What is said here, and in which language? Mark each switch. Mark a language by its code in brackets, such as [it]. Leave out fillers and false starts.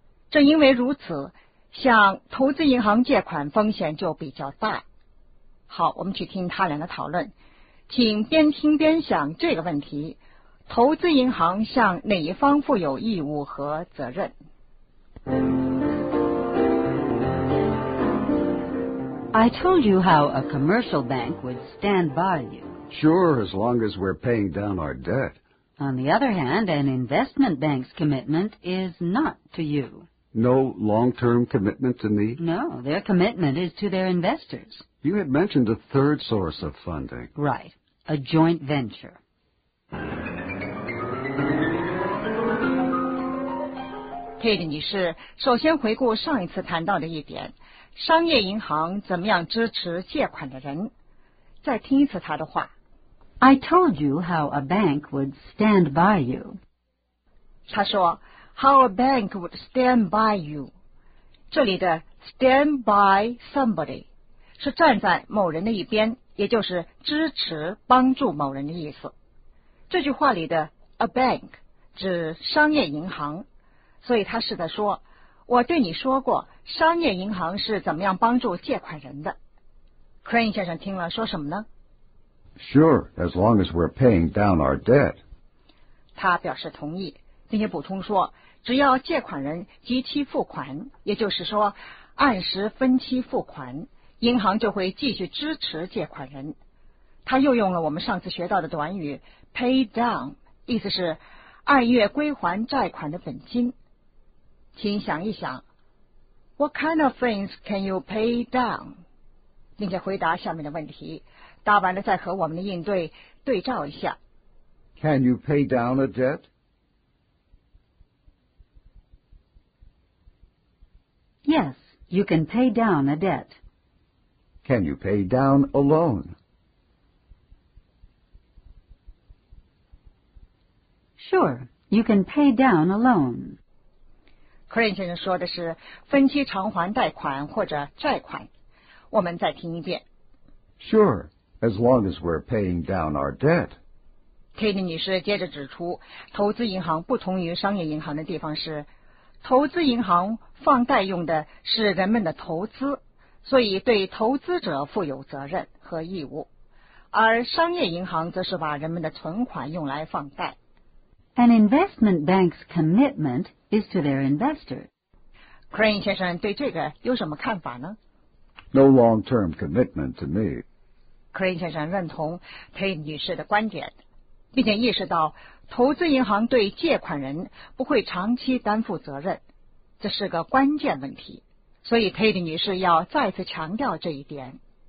[zh] 正因为如此，向投资银行借款风险就比较大。好，我们去听他俩的讨论，请边听边想这个问题，投资银行向哪一方负有义务和责任。 [en] I told you how a commercial bank would stand by you. Sure, as long as we're paying down our debt. On the other hand, an investment bank's commitment is not to you. No long-term commitment to me? No, their commitment is to their investors. You had mentioned a third source of funding. Right, a joint venture. [zh] Kate 女士，首先回顾上一次谈到的一点，商业银行怎么样支持借款的人，再听一次她的话。 [en] I told you how a bank would stand by you. [zh] 他说 [en] how a bank would stand by you. [zh] 这里的 stand by somebody 是站在某人的一边，也就是支持帮助某人的意思。这句话里的 a bank 指商业银行，所以他是在说，我对你说过商业银行是怎么样帮助借款人的。 Crane 先生听了说什么呢？ Sure, as long as we're paying down our debt. 他表示同意，并且补充说，只要借款人及期付款，也就是说按时分期付款，银行就会继续支持借款人。他又用了我们上次学到的短语 pay down, 意思是按月归还债款的本金。请想一想， [en] What kind of things can you pay down? [zh] 并且回答下面的问题，答完了再和我们的应对对照一下。 [en] Can you pay down a debt? Yes, you can pay down a debt. Can you pay down a loan? Sure, you can pay down a loan. [zh] Crane 先生说的是分期偿还贷款或者债款，我们再听一遍。 [en] Sure. As long as we're paying down our debt. [zh] Kate 女士接着指出，投资银行不同于商业银行的地方是，投资银行放贷用的是人们的投资，所以对投资者负有责任和义务，而商业银行则是把人们的存款用来放贷。 [en] An investment bank's commitment is to their investor. [zh] Crane 先生对这个有什么看法呢？ [en] No long-term commitment to me. [zh] Crane 先生认同 Tate 女士的观点，并且意识到投资银行对借款人不会长期担负责任，这是个关键问题，所以 Tate 女士要再次强调这一点。